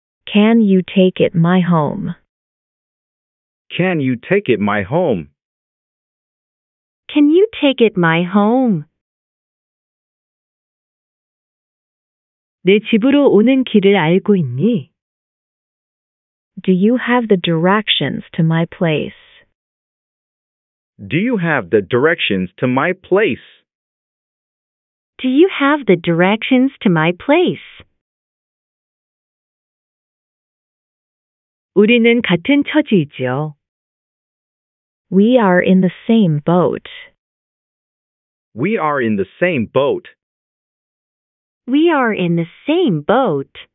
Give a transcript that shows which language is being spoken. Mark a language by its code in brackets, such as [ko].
[en] Can you take it my home? Can you take it my home? Can you take it my home? [ko] 내 집으로 오는 길을 알고 있니? [en] Do you have the directions to my place? Do you have the directions to my place? Do you have the directions to my place? [ko] 우리는 같은 처지이지요. [en] We are in the same boat. We are in the same boat. We are in the same boat.